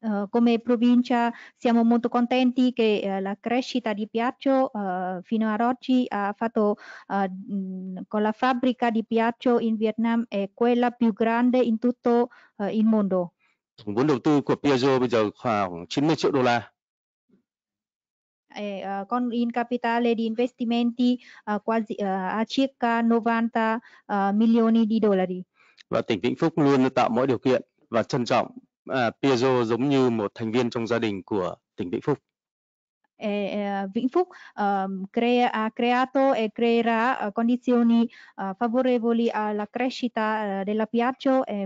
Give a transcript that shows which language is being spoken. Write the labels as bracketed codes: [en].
[it] Come provincia siamo molto contenti che la crescita di Piaggio fino ad oggi ha fatto con la fabbrica di Piaggio in Vietnam è quella più grande in tutto il mondo. [vi] Tổng vốn đầu tư của Piaggio bây giờ khoảng 90 triệu đô la. [it] Con in capitale di investimenti quasi a circa 90 milioni di dollari. [vi] Và tỉnh Vĩnh Phúc luôn tạo mọi điều kiện và trân trọng Piaggio giống như một thành viên trong gia đình của tỉnh Vĩnh Phúc. [it] Vĩnh Phúc ha creato e creerà condizioni favorevoli alla crescita della Piaggio.